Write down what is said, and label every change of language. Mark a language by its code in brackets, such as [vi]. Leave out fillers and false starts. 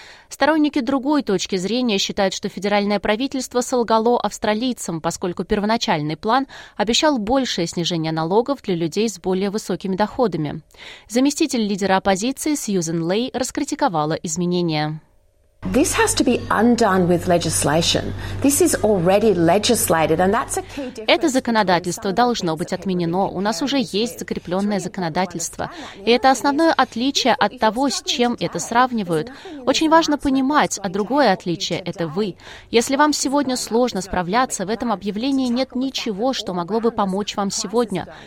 [ru] Сторонники другой точки зрения считают, что федеральное правительство солгало австралийцам, поскольку первоначальный план обещал большее снижение налогов для людей с более высокими доходами. Заместитель лидера оппозиции Сьюзен Лэй раскритиковала изменения. [en] This has to be undone with legislation. This is already legislated, and that's a key difference. [ru] Это законодательство должно быть отменено. У нас уже есть закрепленное законодательство, и это основное отличие от того, с чем это сравнивают. Очень важно понимать, а другое отличие – это вы. Если вам сегодня сложно справляться, в этом объявлении нет ничего, что могло бы помочь вам сегодня.